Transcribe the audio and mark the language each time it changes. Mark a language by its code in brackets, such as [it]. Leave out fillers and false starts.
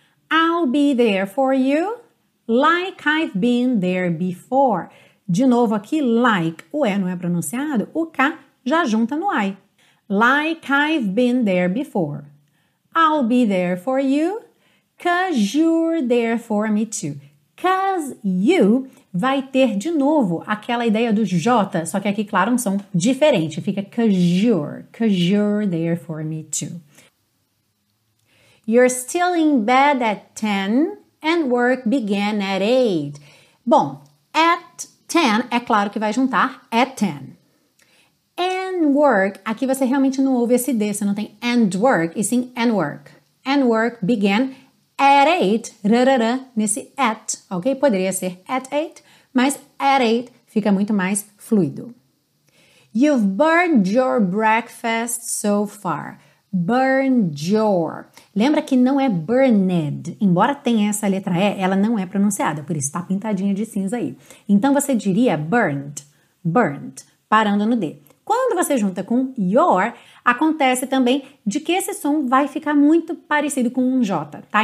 [en] I'll be there for you, like I've been there before. [pt] De novo aqui, like, o E não é pronunciado, o K já junta no I. [en] Like I've been there before. I'll be there for you, 'cause you're there for me too. Because you [pt] vai ter, de novo, aquela ideia do J, só que aqui, claro, um som diferente. Fica [en] because you're there for me too. You're still in bed at 10 and work began at 8. [pt] Bom, [en] at 10, [pt] é claro que vai juntar at 10. [en] And work, [pt] aqui você realmente não ouve esse D, você não tem and work, e sim and work. [en] And work began at 8, rarara, [pt] nesse [en] at, ok? [pt] Poderia ser at 8, mas at 8 fica muito mais fluido. [en] You've burned your breakfast so far. Burned your. [pt] Lembra que não é burned, embora tenha essa letra E, ela não é pronunciada, por isso está pintadinha de cinza aí. Então você diria burned, parando no D. Quando você junta com your, acontece também de que esse som vai ficar muito parecido com um J, tá?